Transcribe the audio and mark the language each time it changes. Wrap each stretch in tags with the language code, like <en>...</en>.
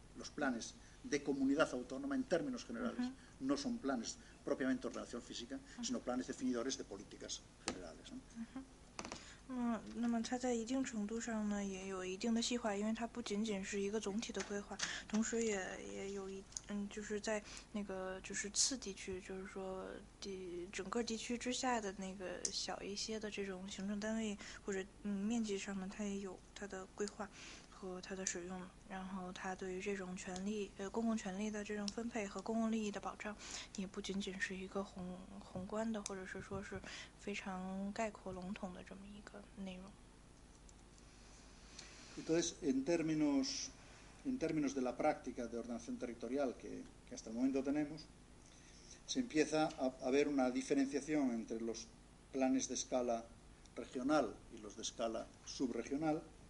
<es>Los planes de comunidad autónoma, en términos generales, uh-huh. no son planes propiamente de ordenación física, uh-huh. sino planes definidores de políticas generales, ¿no? Uh-huh.</es> <zh>那么它在一定程度上呢也有一定的细化，因为它不仅仅是一个总体的规划，同时也有一就是在那个就是次地区，就是说整个地区之下的那个小一些的这种行政单位或者面积上呢，它也有它的规划和它的使用，然后它对于这种权利公共权利的这种分配和公共利益的保障，也不仅仅是一个宏观的，或者是说是非常概括笼统的这么一个内容。</zh> <es>Entonces, en términos de la práctica de ordenación territorial que hasta el momento tenemos, se empieza a ver una diferenciación entre los planes de escala regional y los de escala subregional.</es>